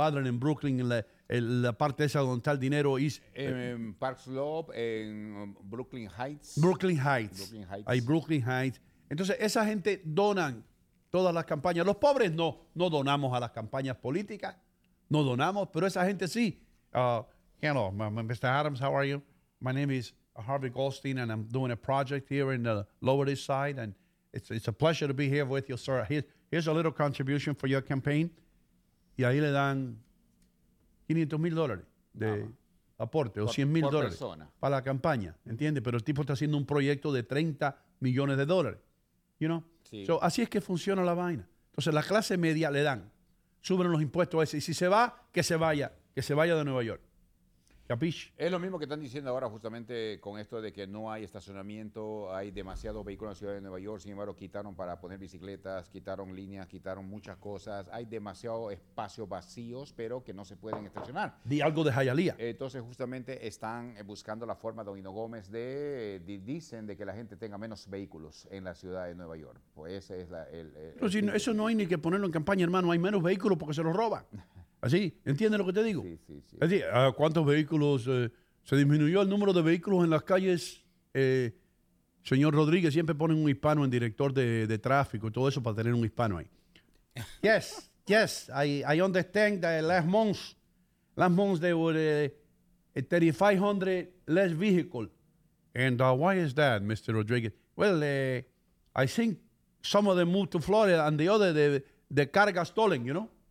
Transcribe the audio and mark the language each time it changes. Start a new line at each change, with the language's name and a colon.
Spanish: Adlon, en Brooklyn, en la parte esa donde está el dinero. En Park Slope, en Brooklyn Heights. Brooklyn Heights. Entonces, esa gente donan todas las campañas. Los pobres no donamos a las campañas políticas, no donamos, pero esa gente sí.
English: Hello, Mr. Adams, how are you? My name is Harvey Goldstein, and I'm doing a project here in the Lower East Side, and it's a pleasure to be here with you, sir. Here's a little contribution for your campaign.
Spanish: Y ahí le dan $500,000 de aporte, o $100,000 para la campaña, ¿entiendes? Pero el tipo está haciendo un proyecto de 30 millones de dólares, you know? Sí. So, así es que funciona la vaina. Entonces, la clase media le dan, suben los impuestos a ese, y si se va, que se vaya de Nueva York. Es lo mismo que están diciendo ahora justamente con esto de que no hay estacionamiento, hay demasiados vehículos en la ciudad de Nueva York, sin embargo quitaron para poner bicicletas, quitaron líneas, quitaron muchas cosas, hay demasiados espacios vacíos pero que no se pueden estacionar. Di algo de Hialeah. Entonces justamente están buscando la forma, don Hino Gómez, dicen de que la gente tenga menos vehículos en la ciudad de Nueva York. Pues ese es eso no hay ni que ponerlo en campaña, hermano, hay menos vehículos porque se los roban. ¿Así? ¿Entiendes lo que te digo? Sí, sí, sí. Es decir, ¿cuántos vehículos? ¿Se disminuyó el número de vehículos en las calles? Señor Rodríguez, siempre ponen un hispano en director de tráfico y todo eso para tener un hispano ahí.
English: Yes, yes, I understand that last month there were 3,500 less vehicles. And why is that, Mr. Rodríguez? Well, I think some of them moved to Florida and the other, the car got stolen, you know?